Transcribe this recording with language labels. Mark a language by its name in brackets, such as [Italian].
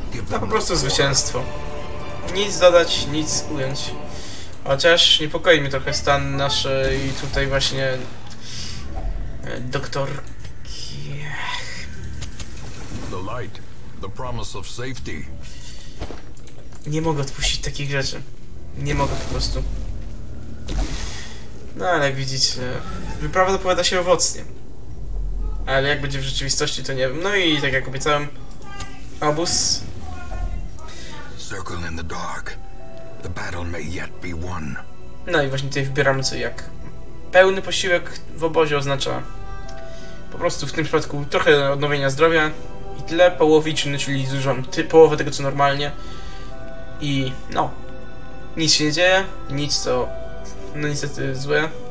[Polish] To po prostu zwycięstwo. Nic dodać, nic ująć. Chociaż niepokoi mnie trochę stan naszej tutaj właśnie doktorki. [English] The light, the promise of safety. [Polish] Nie mogę odpuścić takich rzeczy. Nie mogę po prostu. No ale jak widzicie, wyprawa zapowiada się owocnie. Ale jak będzie w rzeczywistości, to nie wiem. No i tak jak obiecałem, obóz. [English] Circle in the dark. The battle may yet be won. [Polish] No i właśnie tutaj wybieramy co jak. Pełny posiłek w obozie oznacza po prostu w tym przypadku trochę odnowienia zdrowia i tyle, połowiczny, czyli zużyłam połowę tego co normalnie. I no, nic się nie dzieje, nic co no niestety złe.